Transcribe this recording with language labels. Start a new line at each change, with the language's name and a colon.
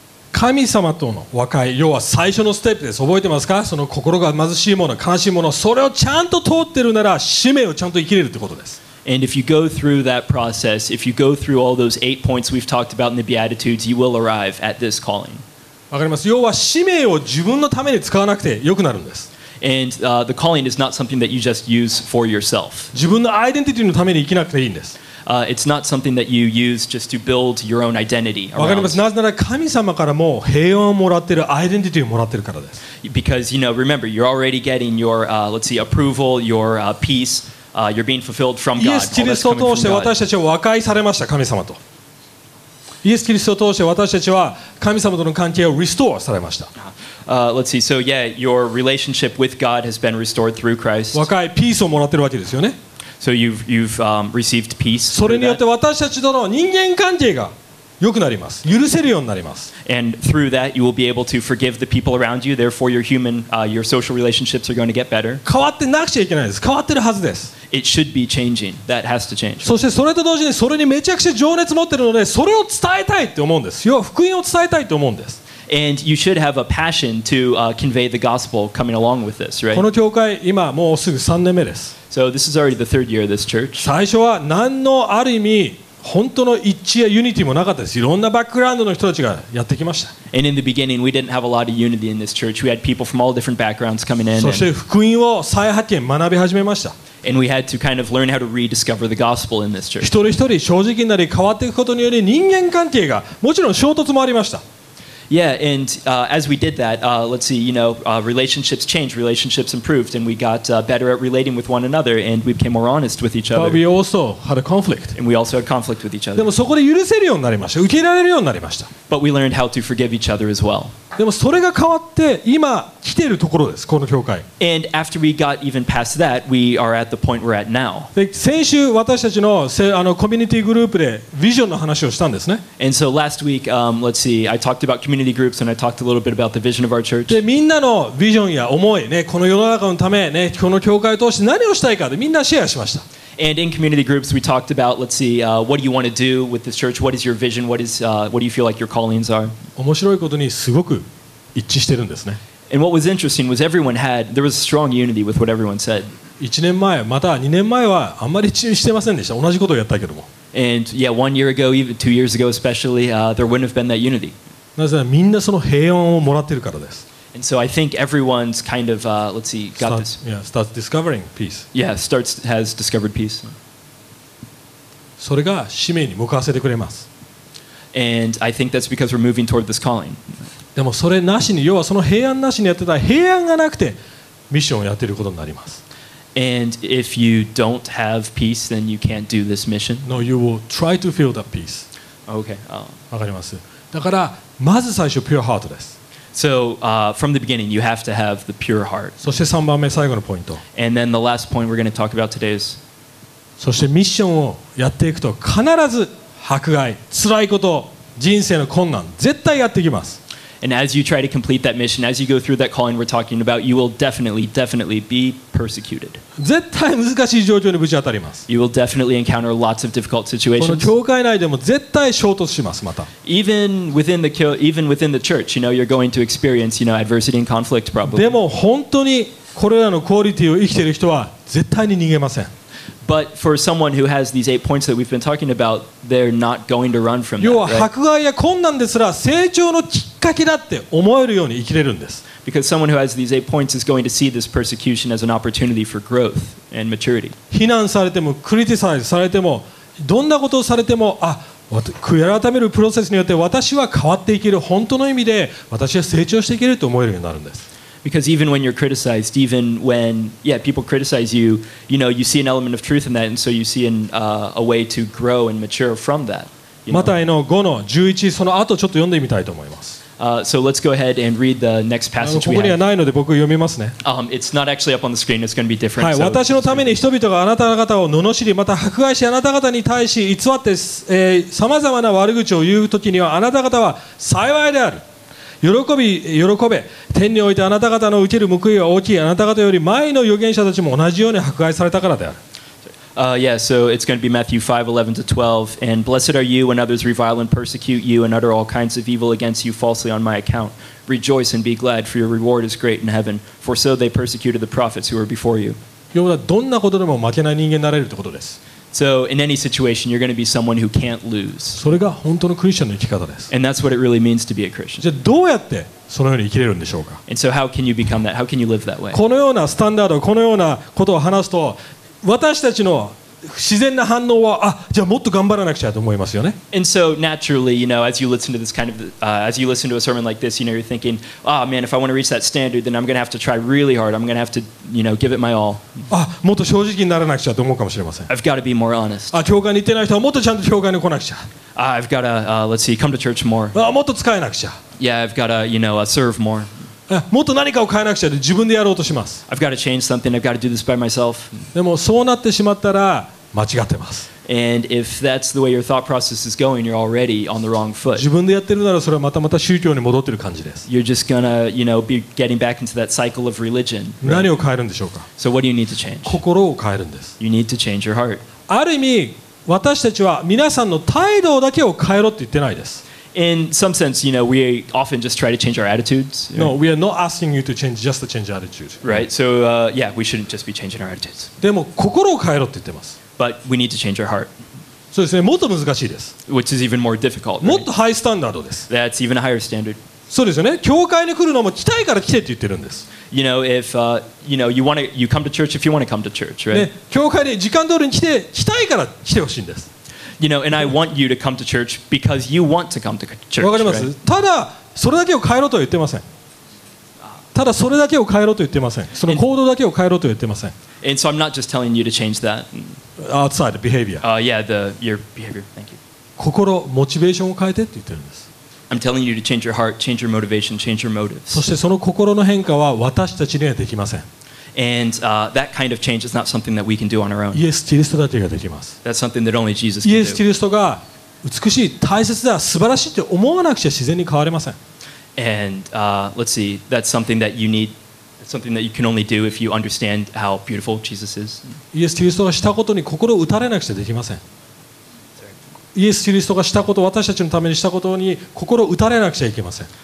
Japanese: 神様との和解、要は最初のステップです。覚えてますか？その心が貧しいもの、悲しいもの、それをちゃんと通ってるなら、使命をちゃんと生きれるってことです。
English: And if you go through that process, if you go through all those eight points we've talked about in the Beatitudes, you will arrive at this calling.
Japanese: わかります。要は使命を自分のために使わなくてよくなるんです。
English: And the calling is not something that you just use for yourself.
Japanese: 自分のアイデンティティのために生きなくていいんです。
English: It's not something that you use just to build your own identity. Around. Because, you know, remember, you're already getting your, let's see, approval, your peace, you're being fulfilled from God. Yes, Christ through us, we have been reconciled to God.
Japanese: イエス・キリストを通して私たちは神様との関係をリストアされました。
English: Let's see. So yeah, your relationship with God has been restored through Christ.
Japanese: 和解、ピースをもらってるわけですよね。
English: So you've received peace.
Japanese: それによって私たちとの人間関係が良くなります。許せるようになります。
English: And through that, you will be able to forgive the people around you. Therefore, your human, your social relationships are going to get better.
Japanese: 変わってなくちゃいけないです。変わってるはずです。
English: It should be changing. That has to change.
Japanese: そしてそれと同時にそれにめちゃくちゃ情熱持ってるので、それを伝えたいって思うんです。要は福音を伝えたいと思うんです。
English: And you should have a passion to convey the gospel coming along with this, right?
Japanese: この教会今もうすぐ3年目です。
English: So this is already the third year of this church.
Japanese: 最初は何のある意味本当の一致やユニティもなかったです。いろんなバックグラウンドの人たちがやってきました。
English: And in the beginning, we didn't have a lot of unity in this church. We had people from all different backgrounds coming in.
Japanese: そして福音を再発見、学び始めました。
English: And we had to kind of learn how to rediscover the gospel in this church.
Japanese: 一人一人正直になり変わっていくことにより人間関係がもちろん衝突もありました。
English: Yeah, and as we did that, let's see, you know, relationships changed, relationships improved, and we got better at relating with one another, and we became more honest with each other. But we also had a conflict. And we also had conflict with each other.
Japanese: でもそこで許せるようになりました。受け入れられるようになりました。
English: But we learned how to forgive each other as well.
Japanese: でもそれが変わって今来ているところです、この教会。
English: And after we got even past that, we are at the point we're at now.
Japanese: で、先週私たちの、コミュニティグループでビジョンの話をしたんですね。
English: And so last week, let's see, I talked about community groups and I talked a little bit about the vision of our church.
Japanese: で、みんなのビジョンや思い、ね、この世の中のため、ね、この教会を通して何をしたいかでみんなシェアしました。
English: And in community groups, we talked about, let's see, what do you want to do with this church? What is your vision? What do you feel like your callings are?
Japanese: 面白いことにすごく一致してるんですね。
English: And what was interesting was there was a strong unity with what everyone said.
Japanese: 1年前、また2年前はあんまり一致してませんでした。同じことをやったけども。
English: And yeah, 1 year ago, even 2 years ago especially, there wouldn't have been that unity.
Japanese: なぜならみんなその平安をもらってるからです。
English: And so I think everyone's kind of, let's see, got this. Yeah, starts discovering peace. Yeah, starts, has discovered peace.
Japanese: それが使命に向かわせてくれます。
English: And I think that's because we're moving toward this calling.
Japanese: でもそれなしに、要はその平安なしにやってたら、平安がなくてミッションをやってることになります。
English: And if you don't have peace, then you can't do this mission. No, you will try to feel that peace. Okay.
Japanese: わかります。だから、まず最初、ピュアハートです。
English: So from the beginning, you have to have the pure heart.
Japanese: そして3番目最後のポイント。
English: And then the last point we're going to talk about today is.
Japanese: そしてミッションをやっていくと必ず迫害、辛いこと、人生の困難、絶対やってきます。
English: And as you try to complete that mission, as you go through that calling we're talking about, you will definitely, definitely be persecuted.
Japanese: 絶対難しい状況にぶち当たります。
English: You will definitely encounter lots of difficult situations.
Japanese: この教会内でも絶対衝突します、また。
English: Even within the church, you know, you're going to experience, you know, adversity and conflict probably.
Japanese: でも本当にこれらのクオリティを生きている人は絶対に逃げません。
English: But for someone who has these eight points that we've been talking about, they're not going to run from that.
Japanese: 要は迫害や困難ですら成長のきっかけだって思えるように生きれるんです。
English: Because someone who has these eight points is going to see this persecution as an opportunity for growth and maturity.
Japanese: 非難されても、クリティサイズされても、どんなことをされても、あ、悔い改めるプロセスによって私は変わっていける、本当の意味で私は成長していけると思えるようになるんです。
English: Because even when you're criticized, even when people criticize you, you know, you see an element of truth in that, and so you see a way to grow and mature from that.
Japanese: マタイの5の11、その後ちょっと読んでみたいと思います。
English: So let's go ahead and read the next passage we have. It's not actually up on the screen. It's going to be different.
Japanese: はい、私のために人々があなた方を罵り、また迫害し、あなた方に対し偽って、さまざまな悪口を言うときには、あなた方は幸いである。喜べ。天においてあなた方の受ける報いは大きい。あなた方より前の預言者たちも同じように迫害されたからである。
English: So it's going to be Matthew 5:11-12. And blessed are you when others revile and persecute you and utter all kinds of evil against you falsely on my account. Rejoice and be glad, for your reward is great in heaven. For so they persecuted the prophets who were before you. So in any situation, you're going to be someone who can't lose.
Japanese: それが本当のクリスチャンの生き方です。
English: And that's what it really means to be a Christian.
Japanese: じゃあどうやってそのように生きれるんでしょうか?
English: And so how can you become that? How can you live that way?
Japanese: このようなスタンダード、このようなことを話すと、私たちの自然な反応は、あ、じゃあもっと頑張らなくちゃと思いますよね。
English: And so naturally, you know, as you listen to this kind of, as you listen to a sermon like this, you know, you're thinking, ah, man, if I want to reach that standard, then I'm going to have to try really hard. I'm going to have to, you know, give it my all.
Japanese: あ、もっと正直にならなくちゃと思うかもしれません。
English: I've got to be more honest.
Japanese: あ、教会に行ってない人はもっとちゃんと教会に来なくちゃ。
English: I've got to, let's see, come to church more.
Japanese: あ、もっと使えなくちゃ。
English: Yeah, I've got to, you know, serve more.
Japanese: もっと何かを変えなくちゃって自分でやろうとします。
English: I've got to change something. I've got to do this by myself.
Japanese: でもそうなってしまったら間違ってます。
English: And if that's the way your thought process is going, you're already on the wrong foot.
Japanese: 自分でやってるならそれはまたまた宗教に戻ってる感じです。
English: You're just gonna, you know, be getting back into that cycle of religion.
Japanese: 何を変えるんでしょうか?
English: So what do you need to change?
Japanese: 心を変えるんです。
English: You need to change your heart.
Japanese: ある意味私たちは皆さんの態度だけを変えろって言ってないです。
English: In some sense, you know, we often just try to change our attitudes. You know? No, we are not asking you to change, just to change attitude. Right, so yeah, we shouldn't just be changing our attitudes.
Japanese: でも心を変えろって言ってます。
English: But we need to change our heart.
Japanese: そうですね、もっと難しいです。
English: Which is even more difficult.
Japanese: もっとハイスタンダードです。
English: That's even a higher standard.
Japanese: そうですよね、教会に来るのも来たいから来てって言ってるんです。
English: You know, if you know, you want to, you come to church if you want to come to church, right?
Japanese: ね、教会に時間通りに来て、来たいから来てほしいんです。
English: You know, and I want you to come to church because you want to come to church.
Japanese: わかります。
English: Right?
Japanese: ただそれだけを変えろとは言ってません。ただそれだけを変えろと言ってません。その行動だけを変えろとは言ってません。
English: And so I'm not just telling you to change that. Outside behavior. Your behavior. Thank you.
Japanese: 心、モチベーションを変えてって言ってるんです。
English: I'm telling you to change your heart, change your motivation, change your motives.
Japanese: そしてその心の変化は私たちにはできません。
English: And that kind of change is not something that we can do on our own.
Japanese: イエス・キリストだけができます。
English: That's something that only Jesus can do.
Japanese: イエス・キリストが美しい、大切だ、素晴らしいって思わなくちゃ自然に変われません。
English: And let's see, that's something that you need, that's something that you can only do if you understand how beautiful Jesus is.
Japanese: イエス・キリストがしたことに心を打たれなくちゃできません。イエス・キリストがしたこと、私たちのためにしたことに心を打たれなくちゃいけません。